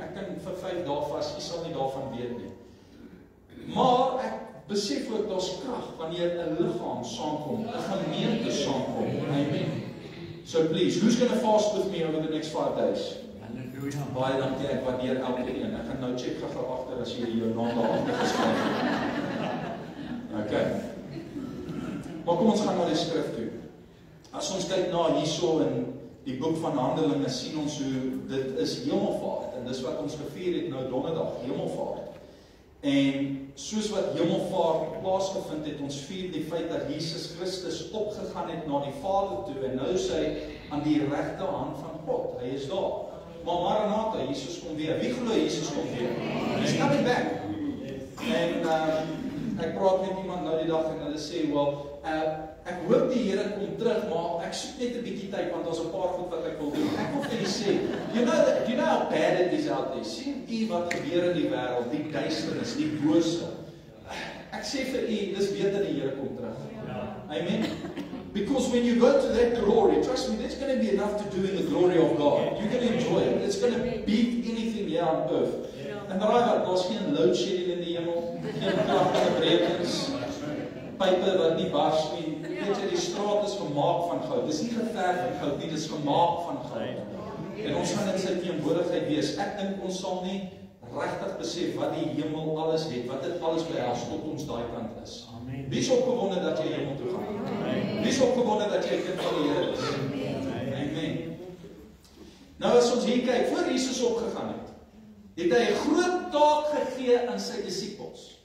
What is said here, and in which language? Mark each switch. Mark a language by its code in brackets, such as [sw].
[af] Ek kan vir 5 dae vas, jy sal nie daarvan weet nie. Maar ek besef ook, daar's krag wanneer 'n liggaam saamkom, 'n gemeente saamkom. Amen. [en] So please, who's going to fast with me over the next 5 days? [af] Baie dankie, ek waardeer elke een. Ek gaan nou check gaga achter as jy jou naam daar achter geskryf. Ok. Maar kom ons gaan na die skrif toe. As ons kyk na hierso in die boek van Handelinge, sien ons hoe dit is Hemelvaart. En dis wat ons gevier het nou donderdag, Hemelvaart. En soos wat Hemelvaart plaasgevind het, ons vier die feit dat Jesus Christus opgegaan het na die Vader toe. En nou is hy aan die regte hand van God. Hy is daar. Maar Maranatha, Jesus kom weer. Wie geloof Jesus kom weer? [en] He's coming back. [af] En ek praat met iemand nou die dag en hulle sê, well, ek hoop die Here kom terug, maar ek soek net 'n bietjie tyd, want daar's 'n paar goed wat ek wil doen. Ek wil vir julle sê, [en] you know how bad it is out there. [af] Sien u wat gebeur in die wêreld, die duisternis, die bose. Ek sê vir u, dis beter die Here kom terug. Amen. [en] Because when you go to that glory, trust me, there's going to be enough to do in the glory of God. You're going to enjoy it. It's going to beat anything here on earth. And the right God, there's [af] geen load shedding in the hemel, geen kracht in brekings, pipe wat nie barst nie. Weet jy, die straat is gemaak van goud. Dis nie geverfd goud nie, dis gemaak van goud. En ons gaan in sy teenwoordigheid wees. Ek dink ons sal nie regtig besef wat die hemel alles het, wat dit alles behels tot ons daai kant is. Wie is opgewonde dat jy hemel toe gaan? Wie is opgewonde dat jy kind van die Here is? Amen. Nou as ons hier kyk, voor Jesus opgegaan het, het hy 'n groot taak gegee aan sy disippels.